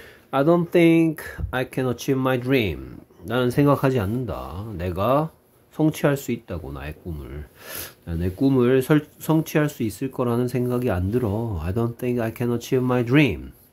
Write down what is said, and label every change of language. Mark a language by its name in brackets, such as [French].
[English] I don't think I can achieve my dream. [Korean] 나는 생각하지 않는다. 내가 성취할 수 있다고, 나의 꿈을. 내 꿈을 성취할 수 있을 거라는 생각이 안 들어. [English] I don't think I can achieve my dream.